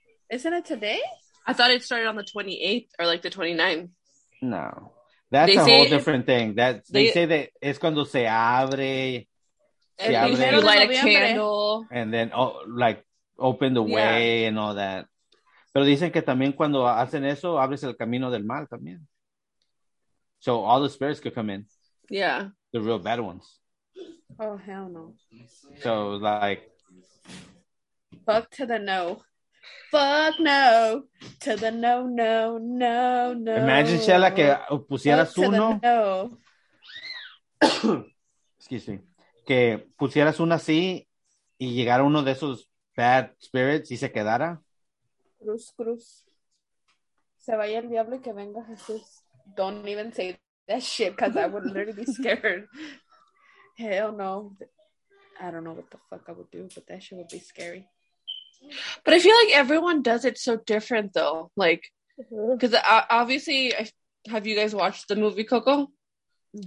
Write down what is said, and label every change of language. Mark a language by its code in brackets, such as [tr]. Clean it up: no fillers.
[en] Isn't it today? I thought it started on the 28th or like the 29th. No. That's a whole different thing. They say that it's [es] cuando se abre. [en] You light a candle. And then, like, open the way and all that. [es] Pero dicen que también cuando hacen eso, abres el camino del mal también. [en] So all the spirits could come in. Yeah. The real bad ones. Oh, hell no. So, like. Fuck to the no. Fuck no. To the no, no, no, no. Imagine, [es] Shella, que pusieras fuck uno. [en] No. Excuse me. [es] Que pusieras uno así y llegara uno de esos [en] bad spirits [es] y se quedara. Cruz, cruz. Se vaya el diablo y que venga Jesús. [en] Don't even say that shit because I would literally be scared. Hell no. I don't know what the fuck I would do, but that shit would be scary. But I feel like everyone does it so different, though. Like, because obviously, have you guys watched the movie Coco? Mm-hmm.